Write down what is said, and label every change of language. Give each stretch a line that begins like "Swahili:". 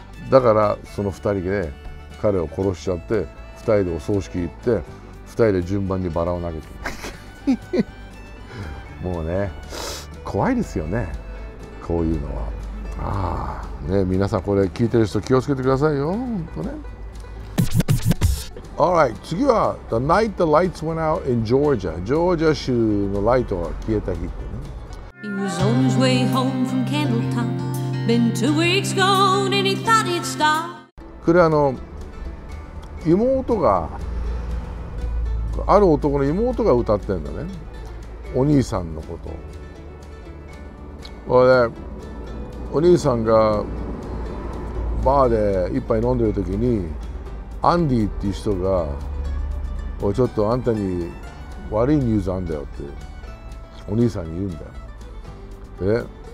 Japanese: だからその2人で彼を殺しちゃって、2人でお葬式行って、2人で順番にバラを投げてもうね、怖いですよねこういうのは。あ、ね、皆さんこれ聞いてる人気をつけてくださいよ、本当ね。
English: All right,
Japanese: 次は
English: The night the lights went out in Georgia.
Japanese: Georgia 州のライトが消えた日ってね。
English: He was on his way home from Candletown. Been 2 weeks gone and he thought he'd stop.
Japanese: これ妹が、ある男の妹が歌ってるんだね。お兄さんのこと。これお兄さんがバーで一杯飲んでる時に、アンディっていう人が、おい、ちょっとあんたに悪いニュースあんだよってお兄さんに言うんだよ。